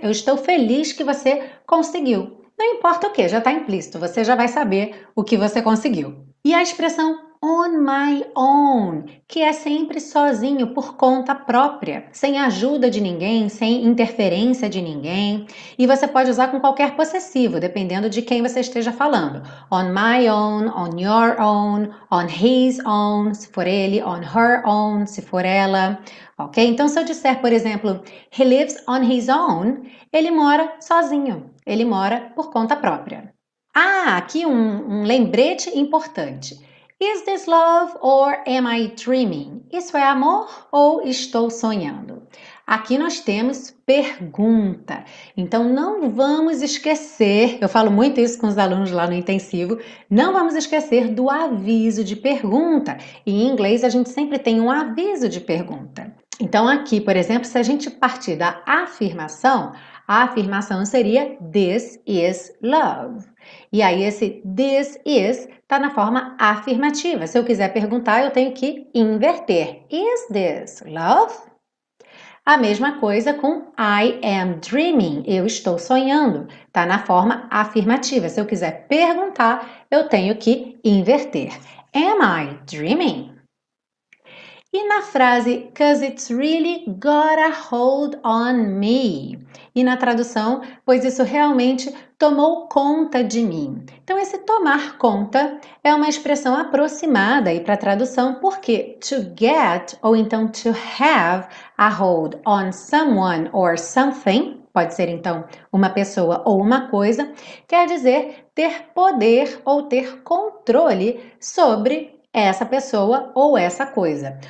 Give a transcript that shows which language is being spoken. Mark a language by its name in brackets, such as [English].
[Portuguese] Eu estou feliz que você conseguiu. Não importa o quê, já está implícito, você já vai saber o que você conseguiu. E a expressão on my own, que é sempre sozinho, por conta própria, sem ajuda de ninguém, sem interferência de ninguém. E você pode usar com qualquer possessivo, dependendo de quem você esteja falando. [English] On my own, on your own, on his own, [Portuguese] se for ele, [English] on her own, [Portuguese] se for ela. Ok? Então, se eu disser, por exemplo, he lives on his own, ele mora sozinho, ele mora por conta própria. Ah, aqui um lembrete importante. [English] Is this love or am I dreaming? [Portuguese] Isso é amor ou estou sonhando? Aqui nós temos pergunta. Então não vamos esquecer, eu falo muito isso com os alunos lá no intensivo, não vamos esquecer do aviso de pergunta. Em inglês a gente sempre tem um aviso de pergunta. Então aqui, por exemplo, se a gente partir da afirmação, a afirmação seria [English] this is love. [Portuguese] E aí esse this is está na forma afirmativa. Se eu quiser perguntar, eu tenho que inverter. [English] Is this love? [Portuguese] A mesma coisa com [English] I am dreaming. [Portuguese] Eu estou sonhando. Está na forma afirmativa. Se eu quiser perguntar, eu tenho que inverter. [English] Am I dreaming? [Portuguese] E na frase [English] 'cause it's really got a hold on me'? [Portuguese] E na tradução, pois isso realmente tomou conta de mim. Então, esse tomar conta é uma expressão aproximada aí para a tradução, porque to get ou então [English] to have a hold on someone or something, [Portuguese] pode ser então uma pessoa ou uma coisa, quer dizer ter poder ou ter controle sobre essa pessoa ou essa coisa.